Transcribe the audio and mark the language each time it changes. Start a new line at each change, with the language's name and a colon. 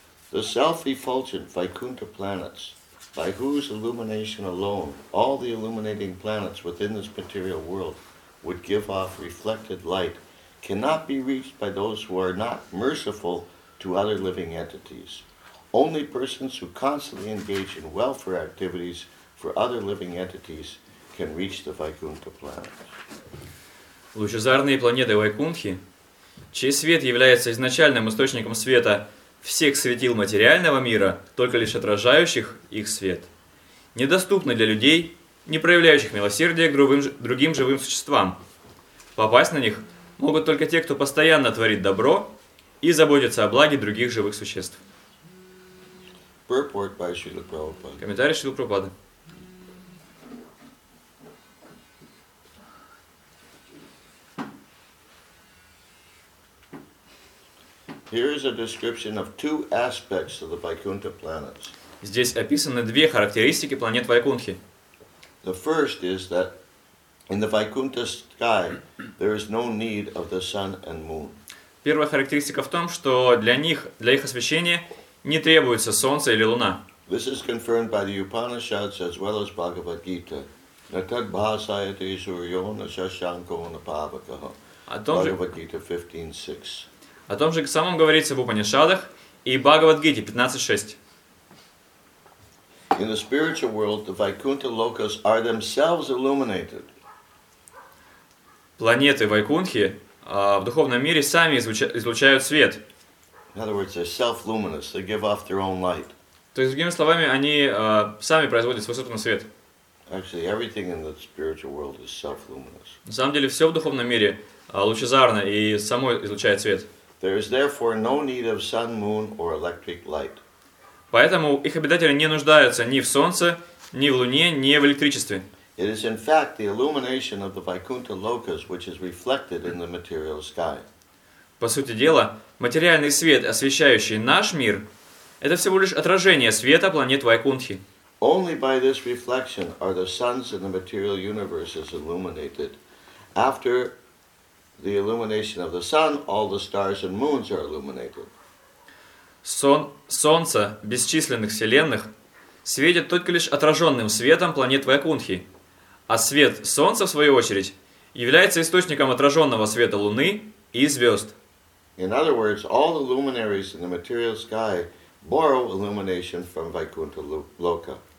English: The self-effulgent Vaikuntha planets, by whose illumination alone all the illuminating planets within this material world would give off reflected light, cannot be reached by those who are not merciful to other living entities. Only persons who constantly engage in welfare activities for other living entities can reach the Vaikuntha planets.
Russian: Лучезарные планеты Вайкунтхи, чей свет является изначальным источником света всех светил материального мира, только лишь отражающих их свет, недоступны для людей, не проявляющих милосердия к другим живым существам. Попасть на них могут только те, кто постоянно творит добро и заботится о благе других живых существ.
English: Purport by Srila Prabhupada.
Russian: Комментарий Шрилы Прабхупады.
English: Here is a description of two aspects of the Vaikuntha planets.
Russian: Здесь описаны две характеристики планет Вайкунтхи.
English: The first is that in the Vaikuntha sky there is no need of the sun and moon.
Russian: Первая характеристика в том, что для них, для их освящения не требуется солнце или луна.
English: This is confirmed by the Upanishads as well as Bhagavad Gita.
Sanskrit: На тот басая ты сурьон шашанкон пабакахо.
English: Bhagavad Gita 15:6.
Russian: О том же самом говорится в Упанишадах и Бхагавад Гите 15:6.
English: In the spiritual world, the Vaikuntha lokas are themselves illuminated.
Russian: Планеты Вайкунтхи в духовном мире сами излучают свет.
English: In other words, they're self-luminous. They give off their own light.
Russian: То есть, другими словами, они сами производят свой собственный свет.
English: Actually, everything in the spiritual world is self-luminous.
Russian: На самом деле, все в духовном мире лучезарно и само излучает свет.
English: There is therefore no need of sun, moon, or electric light.
Russian: Поэтому их обитатели не нуждаются ни в солнце, ни в луне, ни в электричестве.
English: It is in fact the illumination of the Vaikuntha lokas which is reflected in the material sky.
Russian: По сути дела, материальный свет, освещающий наш мир, это всего лишь отражение света планет Вайкунтхи.
English: Only by this reflection are the suns in the material universes illuminated. After the illumination of the sun, all the stars and moons are illuminated.
Russian: Солнце бесчисленных вселенных светит только лишь отраженным светом планет Вайкунтхи, а свет солнца, в свою очередь, является источником отраженного света луны и звезд.
English: In other words, all the luminaries in the material sky borrow illumination from Vaikuntha loka.